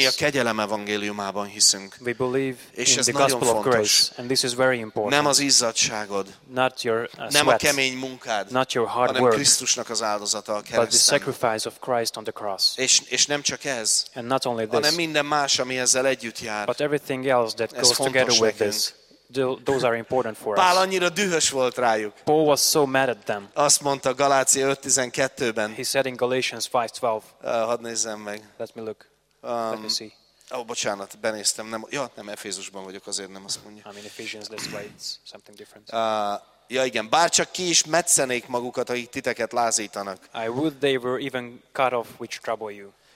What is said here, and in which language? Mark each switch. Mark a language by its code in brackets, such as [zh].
[hu] Mi a kegyelem evangéliumában hiszünk. [en] We believe [hu] és [en] in [hu] ez [en] the [hu] nagyon [en] gospel [hu] fontos. [en] Of grace, and this is very important. [hu] Nem az izzadságod. [en] Not your sweat. [hu] Nem a kemény munkád. [en] Not your hard [hu] hanem [en] work. [hu] Krisztusnak az áldozata a kereszten. [en] But the sacrifice of Christ on the cross. [hu] És nem csak ez. [en] And not only this. [hu] Hanem minden más, ami ezzel együtt jár. [en] But everything else that goes together with this. Those are important for us. [hu] Pál annyira dühös volt rájuk. [en] Paul was so mad at them. [hu] Azt mondta Galácia 5:12-ben. [en] He said in Galatians 5:12. [hu] Hadd nézzem meg. [en] Let me look. Let me see. [hu] Bocsánat, benéztem. Nem Efézusban vagyok, azért nem azt mondja. [en] I'm in Ephesians, that's why it's something different. [hu] Ja igen, bárcsak ki is metszenék magukat, akik titeket lázítanak. [en] I would they were even cut off which trouble you.